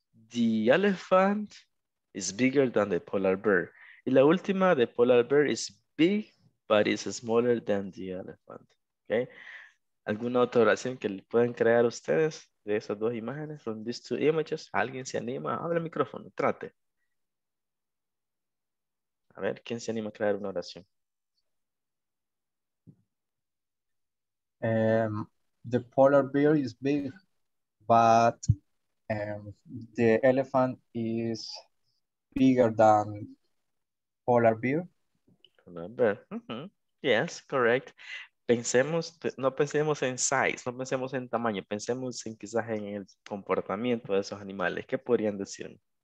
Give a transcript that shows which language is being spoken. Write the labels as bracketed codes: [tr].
[en] The elephant is bigger than the polar bear. [es] Y la última, [en] the polar bear is big, but it's smaller than the elephant. Okay. [es] ¿Alguna otra oración que pueden crear ustedes de esas dos imágenes? [en] From these 2 images. [es] ¿Alguien se anima? Abre el micrófono. Trate. A ver, ¿quién se anima a crear una oración? [en] The polar bear is big, but the elephant is bigger than polar bear. Mm-hmm. Yes, correct. [es] Pensemos, no pensemos en size, no pensemos en tamaño, pensemos en quizás en el comportamiento de esos animales. ¿Qué podrían decir?